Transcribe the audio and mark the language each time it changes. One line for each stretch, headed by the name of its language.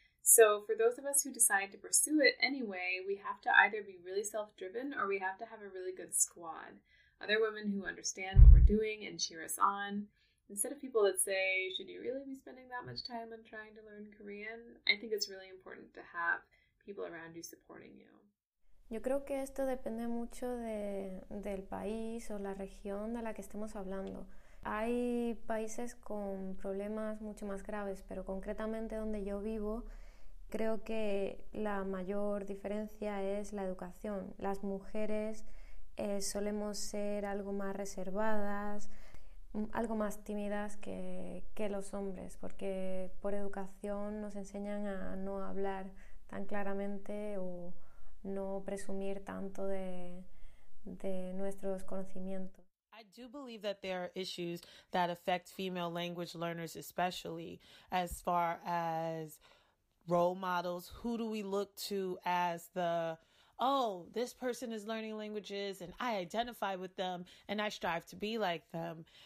English: So for those of us who decide to pursue it anyway, we have to either be really self-driven or we have to have a really good squad. Other women who understand what we're doing and cheer us on. Instead of people that say, should you really be spending that much time on trying to learn Korean? I think it's really important to have people around you supporting you.
Spanish: Yo creo que esto depende mucho del país o la región de la que estemos hablando. Hay países con problemas mucho más graves, pero concretamente donde yo vivo, creo que la mayor diferencia es la educación. Las mujeres solemos ser algo más reservadas, algo más tímidas que los hombres, porque por educación nos enseñan a no hablar tan claramente o no presumir tanto de nuestros conocimientos.
English: I do believe that there are issues that affect female language learners, especially as far as role models. Who do we look to as the oh, this person is learning languages and I identify with them and I strive to be like them.